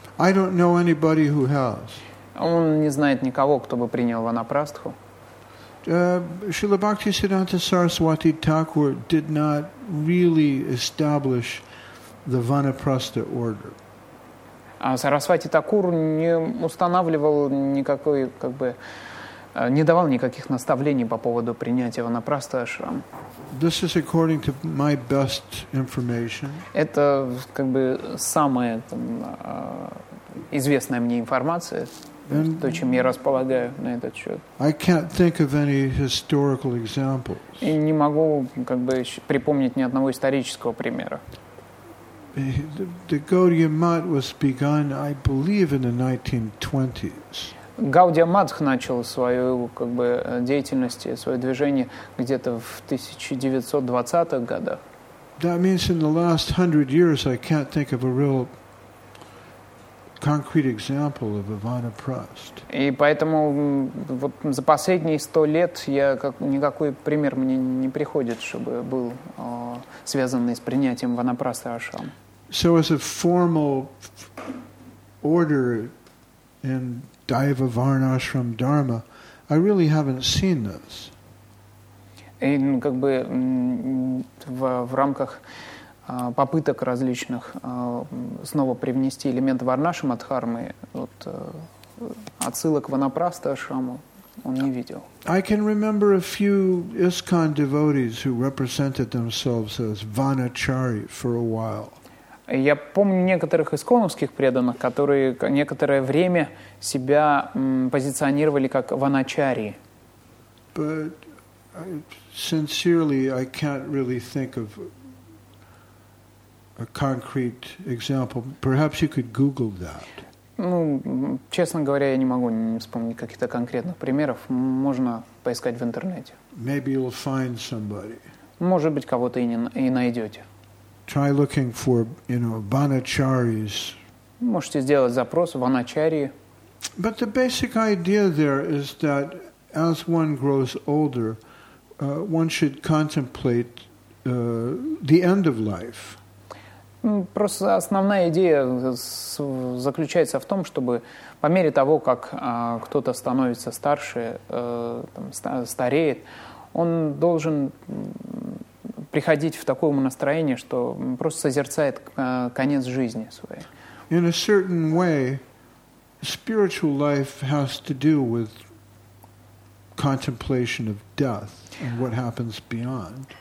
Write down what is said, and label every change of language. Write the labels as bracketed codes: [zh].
[en] I don't know anybody who has. [ru] Он не знает никого, кто бы принял ванапрастху. [en] Srila Bhaktisiddhanta Saraswati Thakur did not really establish the Vanaprastha order. [ru] Сарасвати Такур не устанавливал никакой не давал никаких наставлений по поводу принятия ванапраста ашрам. [en] This is according to my best information. [ru] Это как бы самая там, известная мне информация, [en] and [ru] то, чем я располагаю на этот счет. [en] I can't think of any historical examples. [ru] И не могу как бы припомнить ни одного исторического примера. [en] The Gaudiya Math was begun, I believe, in the 1920s. [ru] Гаудия Матх начал свою как бы деятельность, свое движение где-то в 1920-х годах. [en] That means in the last 100 years I can't think of a real concrete example of a vanaprast. [ru] И поэтому вот за последние 100 лет я как никакой пример мне не приходит, чтобы был связанный с принятием ванапраста ашрам. [en] So as a formal order in Daiva Varna Ashram Dharma, I really haven't seen this. And, [ru] как бы в рамках попыток различных снова привнести элемент Варнашрама Дхармы, вот отсылок Ванапраста Ашраму он не видел. [en] I can remember a few ISKCON devotees who represented themselves as Vanachari for a while. [ru] Я помню некоторых исконовских преданных, которые некоторое время себя позиционировали как ваначари. [en] But sincerely, I can't really think of a concrete example. Perhaps you could Google that. [ru] Ну, честно говоря, я не могу вспомнить каких-то конкретных примеров. Можно поискать в интернете. [en] Maybe you'll find somebody. [ru] Может быть, кого-то и найдете. [en] Try looking for, you know, vanacharis. [ru] Можете сделать запрос ваначарии. [en] But the basic idea there is that as one grows older, one should contemplate the end of life. [ru] Просто основная идея заключается в том, чтобы по мере того, как кто-то становится старше, стареет, он должен приходить в такое настроение, что просто созерцает конец жизни своей. [en] In a certain way, spiritual life has to do with contemplation of death and what happens beyond.